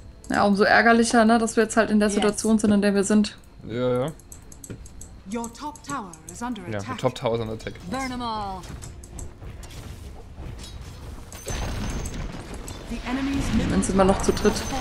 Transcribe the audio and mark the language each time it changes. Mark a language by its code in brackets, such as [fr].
[de] Ja, umso ärgerlicher, ne, dass wir jetzt halt in der Situation sind, in der wir sind. Ja, ja. [en] Your top tower is under attack. [de] Ja, [en] your top tower is under attack. Burn them all. The enemy's middle tower. [de] Dann sind wir noch zu dritt.